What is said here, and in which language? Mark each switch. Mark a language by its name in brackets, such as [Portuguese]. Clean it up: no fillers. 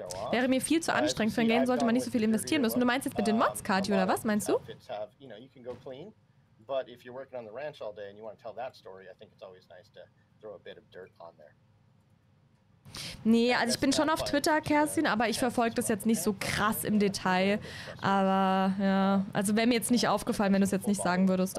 [German] Wäre mir viel zu anstrengend. Für ein Game sollte man nicht so viel investieren müssen. Du meinst jetzt mit den Mods, Kati, oder was meinst du? [English] You can go clean, but if you're working on the ranch all day and you want to tell that story, I think it's always nice to throw a bit of dirt on there. [German] Nee, also ich bin schon auf Twitter, Kerstin, aber ich verfolge das jetzt nicht so krass im Detail. Aber ja, also wäre mir jetzt nicht aufgefallen, wenn du es jetzt nicht sagen würdest.